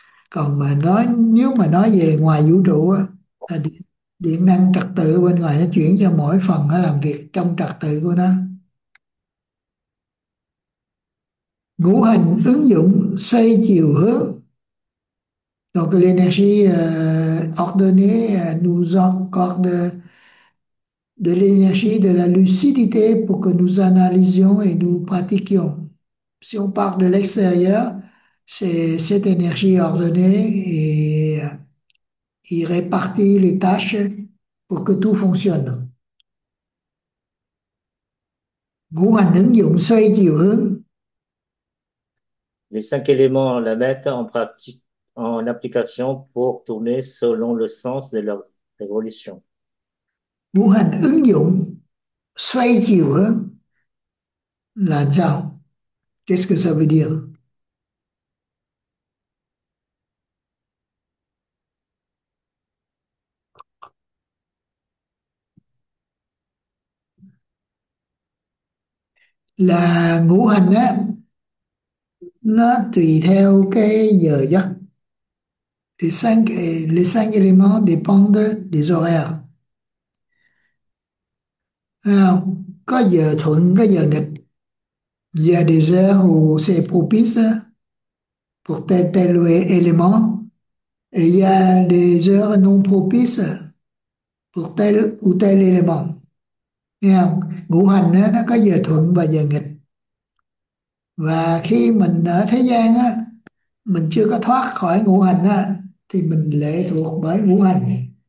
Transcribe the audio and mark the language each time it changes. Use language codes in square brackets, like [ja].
[vi] Còn mà nói, nếu mà nói về ngoài vũ trụ á, là điện năng trật tự bên ngoài nó chuyển cho mỗi phần nó làm việc trong trật tự của nó. Ngũ hành ứng dụng xoay chiều hướng. [fr] Donc l'énergie ordonnée nous accorde de l'énergie de la lucidité pour que nous analysions et nous pratiquions. Si on part de l'extérieur, c'est cette énergie ordonnée et il répartit les tâches pour que tout fonctionne. [vi] Ngũ hành ứng dụng xoay chiều hướng. [fr] Les 5 éléments la mettent en pratique, en application pour tourner selon le sens de leur évolution. [vi] Ngũ hành ứng dụng xoay chiều hướng là sao? [fr] Qu'est-ce que ça veut dire? [vi] Là ngũ hành á, nó tùy theo cái giờ giấc. [fr] Les cinq éléments dépendent des horaires. [vi] Không? Có giờ thuận, có giờ nghịch. [fr] Il y a des heures où c'est propice pour tel tel élément. Et il y a des heures non propices pour tel ou tel élément. [vi] Nghe không? Ngũ hành đó, nó có giờ thuận và giờ nghịch. Và khi mình ở thế gian á, mình chưa có thoát khỏi ngũ hành á, thì mình lệ thuộc bởi ngũ hành.